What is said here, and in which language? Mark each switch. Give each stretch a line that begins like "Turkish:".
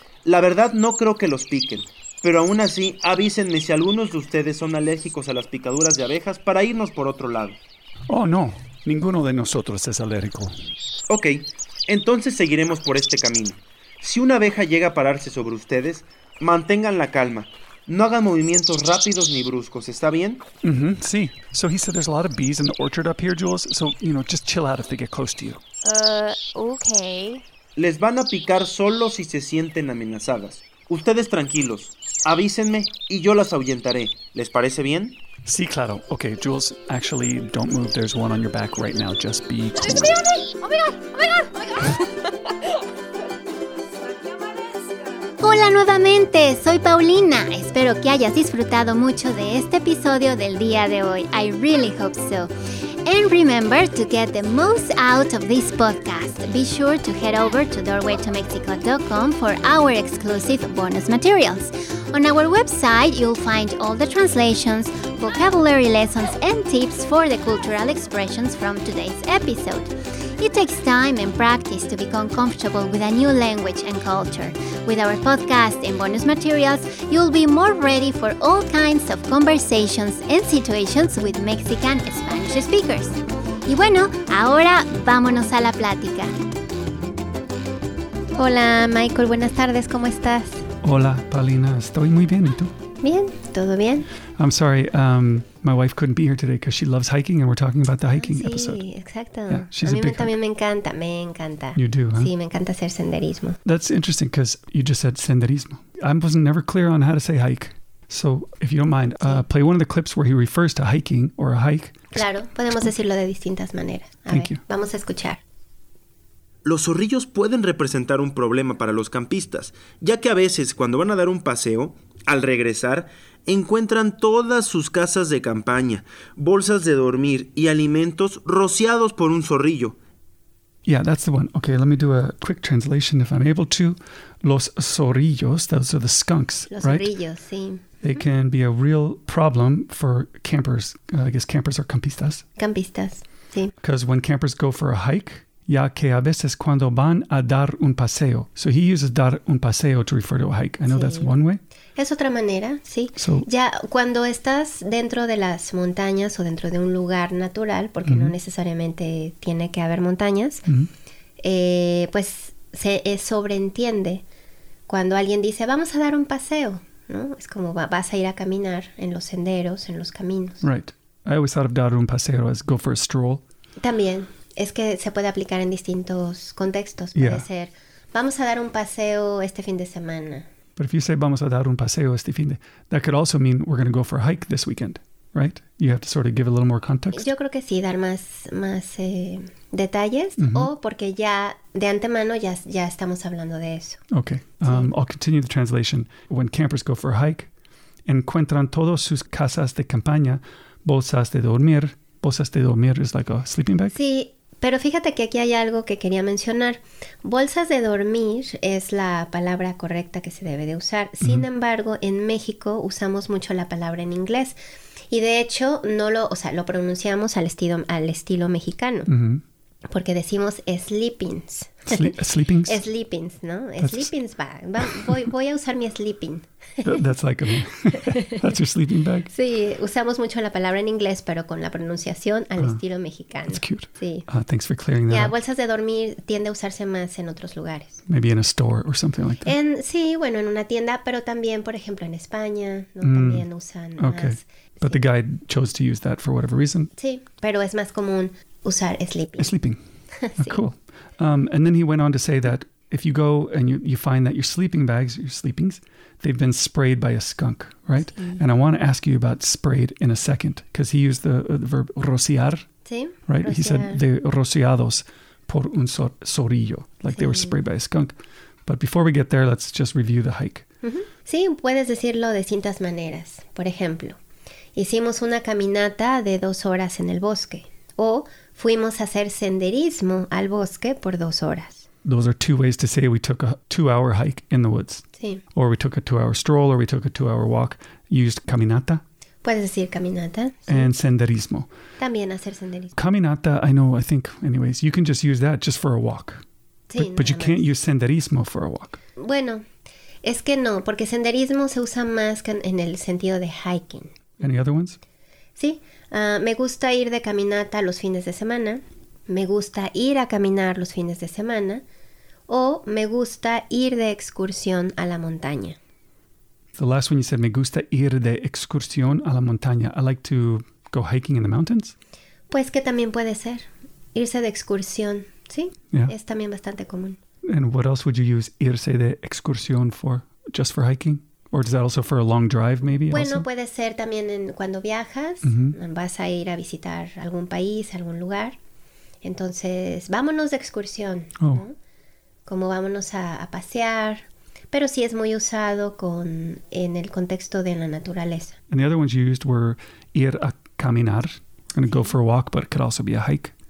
Spanish: La verdad, no creo que los piquen. Pero aún así, avísenme si algunos de ustedes son alérgicos a las picaduras de abejas para irnos por otro lado. Oh, no. Ninguno de nosotros es alérgico. Ok, entonces seguiremos por este camino. Si una abeja llega a pararse sobre ustedes, mantengan la calma. No hagan movimientos rápidos ni bruscos, ¿está bien?
English: Mm-hmm,
Spanish: sí.
English: So he said there's a lot of bees in the orchard up here, Jules. So, you know, just chill out if they get close to you. Okay.
Spanish: Les van a picar solo si se sienten amenazadas. Ustedes tranquilos. Avísenme y yo las ahuyentaré. ¿Les parece bien? Sí, claro.
English: Okay, Jules, actually, don't move. There's one on your back right now. Just be cool. ¡Oh, my God! ¡Oh, my God! ¡Oh, my God!
Spanish: Hola nuevamente, soy Paulina. Espero que hayas disfrutado mucho de este episodio del día de hoy.
English: I really hope so. And remember to get the most out of this podcast. Be sure to head over to doorwaytomexico.com for our exclusive bonus materials. On our website, you'll find all the translations, vocabulary lessons, and tips for the cultural expressions from today's episode. It takes time and practice to become comfortable with a new language and culture. With our podcast and bonus materials, you'll be more ready for all kinds of conversations and situations with Mexican Spanish speakers.
Spanish: Y bueno, ahora vámonos a la plática. Hola, Michael. Buenas tardes. ¿Cómo estás? Hola, Paulina. Estoy muy bien. ¿Y tú? Bien. ¿Todo bien?
English: I'm sorry. My wife couldn't be here today because she loves hiking and we're talking about the hiking episode.
Spanish: Sí, exacto.
English: Yeah, she's a big hiker.
Spanish: A mí también me encanta.
English: You do, huh?
Spanish: Sí, me encanta hacer senderismo.
English: That's interesting because you just said senderismo. I was never clear on how to say hike. So, if you don't mind, play one of the clips where he refers to hiking or a hike.
Spanish: Claro, podemos decirlo de distintas maneras.
English: Thank you.
Spanish: Vamos a escuchar. Los zorrillos pueden representar un problema para los campistas, ya que a veces cuando van a dar un paseo, al regresar, encuentran todas sus casas de campaña, bolsas de dormir y alimentos rociados por un zorrillo.
English: Yeah, that's the one. Okay, let me do a quick translation if I'm able to. Los zorrillos, those are the skunks,
Spanish: los
English: right?
Spanish: Los zorrillos, sí.
English: They can be a real problem for campers. I guess campers are campistas.
Spanish: Campistas, sí.
English: Because when campers go for a hike...
Spanish: Ya que a veces cuando van a dar un paseo.
English: So he uses
Spanish: dar un paseo
English: to refer to a hike. I know that's one way.
Spanish: Es otra manera, sí.
English: So,
Spanish: ya cuando estás dentro de las montañas o dentro de un lugar natural, porque no necesariamente tiene que haber montañas, pues se sobreentiende cuando alguien dice, vamos a dar un paseo, ¿no? Es como vas a ir a caminar en los senderos, en los caminos.
English: Right. I always thought of
Spanish: dar un paseo
English: as go for a stroll.
Spanish: También. Es que se puede aplicar en distintos contextos. Puede ser, vamos a dar un paseo este fin de semana.
English: But if you say,
Spanish: vamos a dar un paseo este fin de...
English: That could also mean, we're going to go for a hike this weekend, right? You have to sort of give a little more context.
Spanish: Yo creo que sí, dar más detalles. Mm-hmm. O porque ya, de antemano, ya estamos hablando de eso.
English: Okay,
Spanish: sí.
English: I'll continue the translation. When campers go for a hike,
Spanish: encuentran todas sus casas de campaña, bolsas de dormir. Bolsas de dormir
English: is like a sleeping bag?
Spanish: Sí. Pero fíjate que aquí hay algo que quería mencionar. Bolsas de dormir es la palabra correcta que se debe de usar. Sin embargo, en México usamos mucho la palabra en inglés. Y de hecho, lo pronunciamos al estilo mexicano. Mm-hmm. Porque decimos sleepings.
English: Sleepings?
Spanish: Sleepings, ¿no?
English: That's...
Spanish: Sleepings bag. Voy a usar mi sleeping.
English: That's like that's your sleeping bag?
Spanish: Sí, usamos mucho la palabra en inglés, pero con la pronunciación al estilo mexicano.
English: That's cute.
Spanish: Sí.
English: Thanks for clearing that.
Spanish: Ya, bolsas de dormir tiende a usarse más en otros lugares.
English: Maybe in a store or something like that.
Spanish: En una tienda, pero también, por ejemplo, en España, ¿no? También usan
English: okay.
Spanish: más.
English: Okay, but
Spanish: sí.
English: The guy chose to use that for whatever reason.
Spanish: Sí, pero es más común usar sleeping.
English: Sleeping.
Spanish: Sí.
English: Oh, cool. And then he went on to say that if you go and you find that your sleeping bags, your sleepings, they've been sprayed by a skunk, right?
Spanish: Sí.
English: And I want to ask you about sprayed in a second, because he used the verb rociar,
Spanish: sí.
English: right?
Spanish: Rociar.
English: He said
Spanish: de rociados por un zorrillo,
English: like
Spanish: sí.
English: they were sprayed by a skunk. But before we get there, let's just review the hike.
Spanish: Uh-huh. Sí, puedes decirlo de distintas maneras. Por ejemplo, hicimos una caminata de 2 horas en el bosque. O fuimos a hacer senderismo al bosque por 2 horas.
English: Those are two ways to say we took a two-hour hike in the woods.
Spanish: Sí.
English: Or we took a two-hour stroll, or we took a two-hour walk. You used caminata.
Spanish: Puedes decir caminata.
English: And senderismo.
Spanish: También hacer senderismo.
English: Caminata, I know, I think, anyways, you can just use that just for a walk.
Spanish: Sí,
English: but you can't use senderismo for a walk.
Spanish: Bueno, es que no, porque senderismo se usa más en el sentido de hiking.
English: Any other ones?
Spanish: Sí, me gusta ir de caminata los fines de semana. Me gusta ir a caminar los fines de semana. O me gusta ir de excursión a la montaña.
English: The last one you said,
Spanish: me gusta ir de excursión a la montaña.
English: I like to go hiking in the mountains.
Spanish: Pues que también puede ser. Irse de excursión, ¿sí?
English: Yeah.
Spanish: Es también bastante común.
English: And what else would you use
Spanish: irse de excursión
English: for? Just for hiking? Or is that also for a long drive maybe?
Spanish: Bueno,
English: also?
Spanish: Puede ser también en, cuando viajas. Mm-hmm. Vas a ir a visitar algún país, algún lugar. Entonces, vámonos de excursión. Oh. ¿No? Como vámonos a pasear. Pero sí es muy usado con en el contexto de la naturaleza.
English: And the other ones you used were
Spanish: ir a caminar,
English: and
Spanish: sí.
English: Go for a walk, but it could also be a hike.